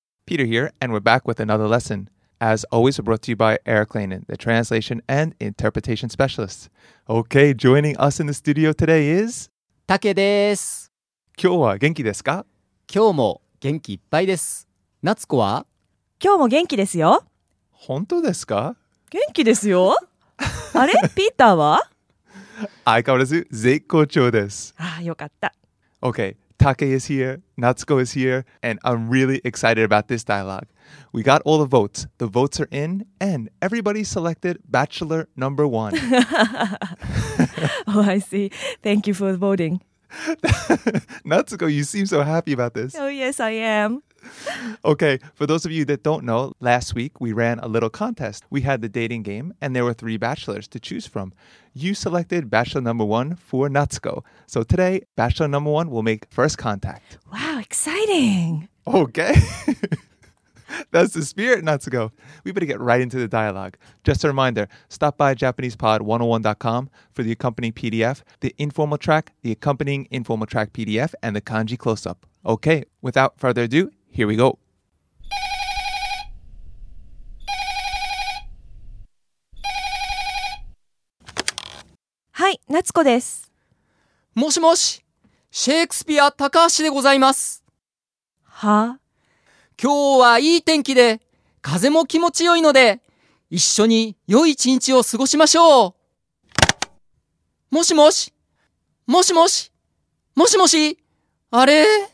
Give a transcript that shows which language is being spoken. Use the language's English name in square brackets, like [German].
[English] Peter here, and we're back with another lessonAs always brought to you by Eric Lainen, the translation and interpretation specialist. Okay, joining us in the studio today is... [Japanese] Take です。今日は元気ですか？今日も元気いっぱいです。夏子は？今日も元気ですよ。本当ですか？元気ですよ。あれ？ピーターは？相変わらず絶好調です。ああ、よかった。 [English] Okay, Take is here, Natsuko is here, and I'm really excited about this dialogue. We got all the votes. The votes are in, and everybody selected bachelor number one. Oh, I see. Thank you for voting. Natsuko, you seem so happy about this. Oh, yes, I am. Okay, for those of you that don't know, last week we ran a little contest. We had the dating game, and there were three bachelors to choose from. You selected bachelor number one for Natsuko. So today, bachelor number one will make first contact. Wow, exciting. Okay. That's the spirit, Natsuko. We better get right into the dialogue. Just a reminder, stop by JapanesePod101.com for the accompanying PDF, the informal track, the accompanying informal track PDF, and the kanji close-up. Okay, without further ado, here we go. [Japanese] Hi, Natsuko です。もしもし、シェイクスピア高橋でございます。は？今日はいい天気で、風も気持ちよいので、一緒に良い一日を過ごしましょう。もしもし、もしもし、もしもし、あれ？